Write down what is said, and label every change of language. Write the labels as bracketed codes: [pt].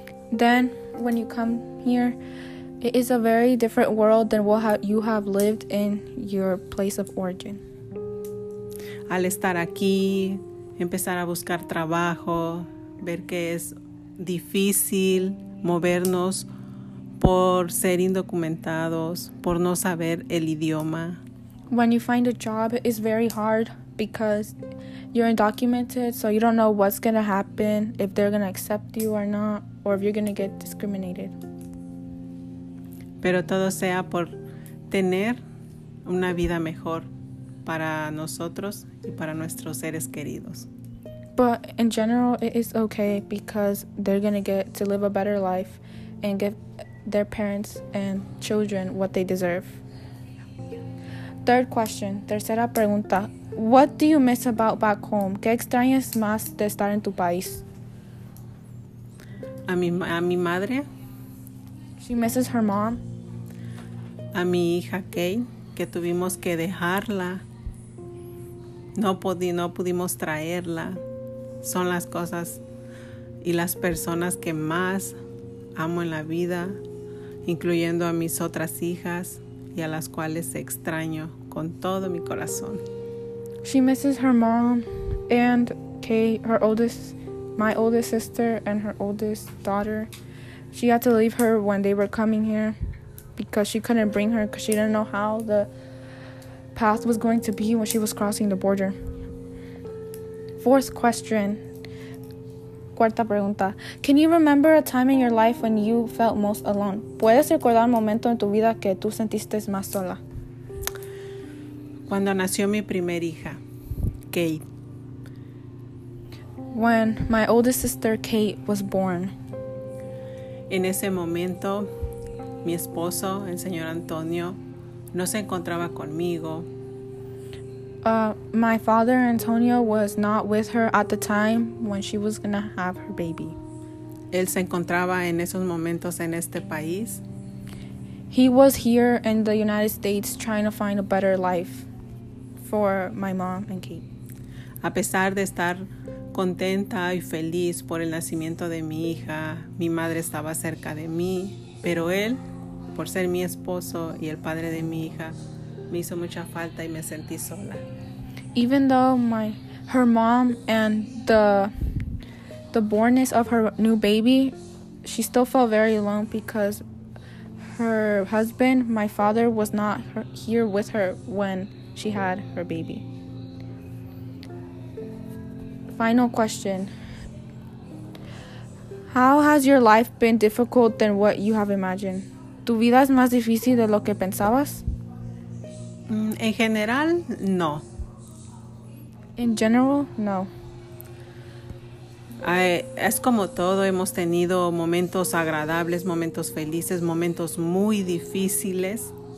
[en] Then, when you come here, it is a very different world than what you have lived in your place of origin. [es] Al estar aquí, empezar a buscar trabajo, ver que es difícil movernos por ser indocumentados, por no saber el idioma. [en] When you find a job, it's very hard because you're undocumented, so you don't know what's going to happen, if they're going to accept you or not, or if you're going to get discriminated. [es] Pero todo sea por tener una vida mejor para nosotros y para nuestros seres queridos. [en] But in general, it is okay because they're going to get to live a better life and give their parents and children what they deserve. Third question, [es] tercera pregunta. [en] What do you miss about back home? [es] ¿Qué extrañas más de estar en tu país? A mi madre. [en] She misses her mom. [es] A mi hija Kate, que tuvimos que dejarla, no pudimos traerla. Son las cosas y las personas que más amo en la vida, incluyendo a mis otras hijas y a las cuales extraño con todo mi corazón. [en] She misses her mom and Kate, my oldest sister and her oldest daughter. She had to leave her when they were coming here. Because she couldn't bring her because she didn't know how the path was going to be when she was crossing the border. Fourth question. [es] Cuarta pregunta. [en] Can you remember a time in your life when you felt most alone? [es] ¿Puedes recordar un momento en tu vida que tú sentiste más sola? Cuando nació mi primer hija, Kate. [en] When my oldest sister, Kate, was born. [es] En ese momento... Mi esposo, el señor Antonio, no se encontraba conmigo. [en] My father, Antonio, was not with her at the time when she was gonna have her baby. [es] Él se encontraba en esos momentos en este país. [en] He was here in the United States trying to find a better life for my mom and Kate. [es] A pesar de estar contenta y feliz por el nacimiento de mi hija, mi madre estaba cerca de mí, pero él, por ser mi esposo y el padre de mi hija, me hizo mucha falta y me sentí sola. [en] Even though her mom and the bornness of her new baby, she still felt very alone because her husband, my father, was not here with her when she had her baby. Final question. How has your life been difficult than what you have imagined? [es] ¿Tu vida es más difícil de lo que pensabas? En general, no. [en] In general, no. [es] Es como todo, hemos tenido momentos agradables, momentos felices, momentos muy difíciles.